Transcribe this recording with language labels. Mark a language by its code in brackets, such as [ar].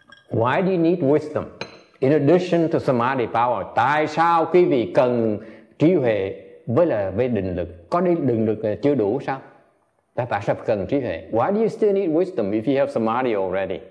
[en] Why do you need wisdom in addition to samadhi power? [vi] Tại sao quý vị cần trí huệ với định lực? Có định lực là chưa đủ sao? Tại sao cần trí huệ? [en] Why do you still need wisdom if you have samadhi already?